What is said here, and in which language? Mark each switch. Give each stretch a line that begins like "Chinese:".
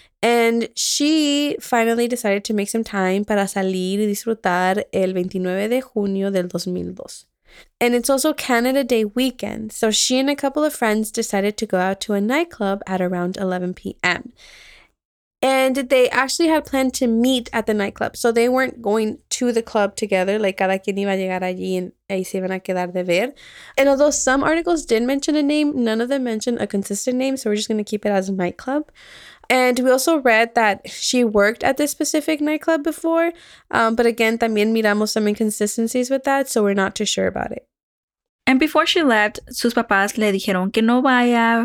English: And she finally decided to make some time
Spanish: para salir y disfrutar el 29 de junio del 2002.
English: And it's also Canada Day weekend. So she and a couple of friends decided to go out to a nightclub at around 11 p.m., and they actually had planned to meet at the nightclub. So they weren't going to the club together. Like,
Spanish: cada quien iba a llegar allí y ahí se iban a quedar de ver.
English: And although some articles did mention a name, none of them mentioned a consistent name. So we're just going to keep it as a nightclub. And we also read that she worked at this specific nightclub before. But again,
Spanish: también miramos
English: some inconsistencies with that. So we're not too sure about it. And before she left,
Spanish: sus papás le dijeron que no vaya.